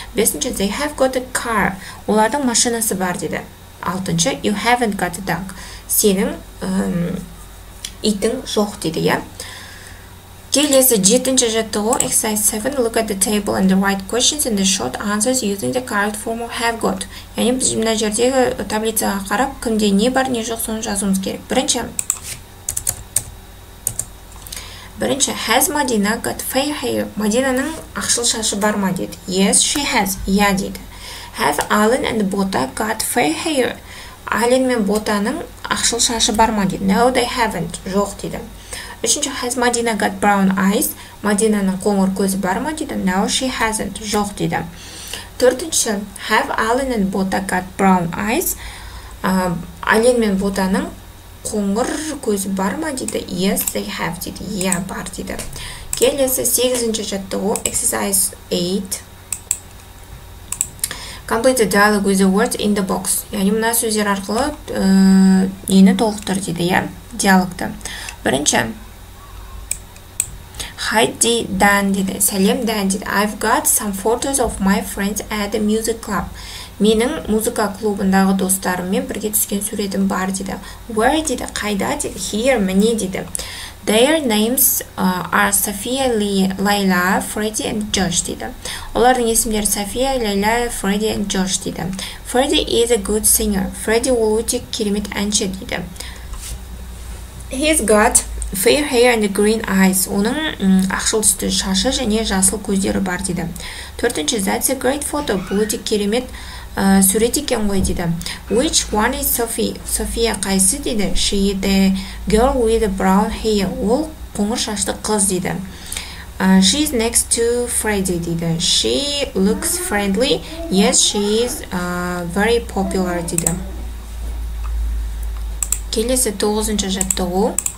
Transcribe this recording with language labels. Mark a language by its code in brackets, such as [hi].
[kk] Бесінші, [en] they have got a car, [kk] олардың машинасы бар, дейді. Алтыншы, [en] you haven't got a dog, [kk] сенің итің жоқ, дейді, я. Келесі, жетінші жаттығу, [en] exercise 7, look at the table and the write questions and the short answers using the correct form of have got. [kk] Яғни, біз мына жердегі таблицаға қарап, кімде не бар, не жоқ, соны жазуымыз керек. Бірінші, [en] has Madina got fair hair? [kk] Мадинаның ақшыл шашы бар ма, дейді? [en] Yes, she has, [kk] я, дейді. [en] Have Alan and Bota got fair hair? [kk] Alan мен Bota-ның ақшыл шашы бар ма, дейді? [en] No, they haven't. [kk] Жоқ, дейді. Үшінші, [en] has Madina got brown eyes? [kk] Madina-ның қоңыр көзі бар ма, дейді? [en] No, she hasn't. [kk] Жоқ, дейді. Төртінші, [en] have Alan and Bota got brown eyes? [kk] Alan мен Bota-ның қоңыр көзі бар ма, дейді? [en] Yes, they have, [kk] дейді. Yeah, бар, дейді. Келесі, сегізінші жаттығу, exercise 8. [en] Complete the dialogue with the words in the box. [kk] Яғни мына сөздер арқылы нені толықтыр, дейді, я? Диалогты. Бірінші. [en] Hi, Dan, [kk] дейді. Сәлем, Dan, дейді. [en] I've got some photos of my friends at the music club. [kk] Менің музыка клубындағы достарыммен бірге түскен суретім бар, дейді. Where, дейді. Қайда, дейді. Here, міне, дейді. [en] Their names are Sophia, Layla, Freddy and Josh, [kk] дейді. Олардың есімдері Sophia, Layla, Freddy and Josh, дейді. [en] Freddy is a good singer. [kk] Freddy ол өте керемет әнші, дейді. [en] He's got fair hair and green eyes. [kk] Оның ақшыл түсті шашы және жасыл көздері бар, дейді. Төртінші, [en] that's a great photo. [kk] Бұл өте керемет сурет екен ғой, дейді. [en] Which one is Sophie? [kk] Sophia қайсы, дейді. [en] She is the girl with the brown hair. [kk] Ол қоңыр шашты қыз, дейді. [en] She is next to Freddy, [kk] дейді. [en] She looks friendly. Yes, she is very popular, [kk] дейді. Келесі, тоғызыншы жаттығу.